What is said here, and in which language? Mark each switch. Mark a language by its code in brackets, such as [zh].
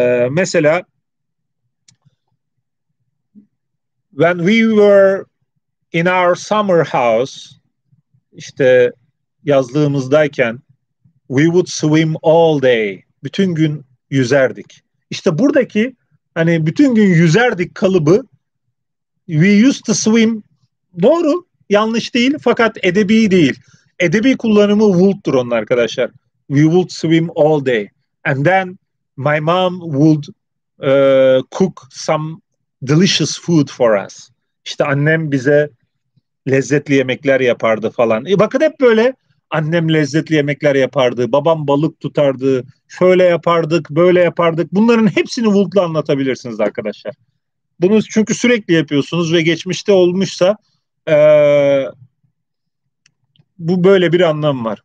[tr] Mesela [en] when we were in our summer house, [tr] işte yazlığımızdayken, [en] we would swim all day. [tr] Bütün gün yüzerdik. İşte buradaki hani bütün gün yüzerdik kalıbı, [en] we used to swim, [tr] doğru, yanlış değil, fakat edebi değil. Edebi kullanımı would'dur onun arkadaşlar. [en] We would swim all day. And then my mom would cook some delicious food for us. [tr] İşte annem bize lezzetli yemekler yapardı falan. Bakın hep böyle annem lezzetli yemekler yapardı, babam balık tutardı, şöyle yapardık, böyle yapardık. Bunların hepsini would'la anlatabilirsiniz arkadaşlar. Bunu çünkü sürekli yapıyorsunuz ve geçmişte olmuşsa bu böyle bir anlam var.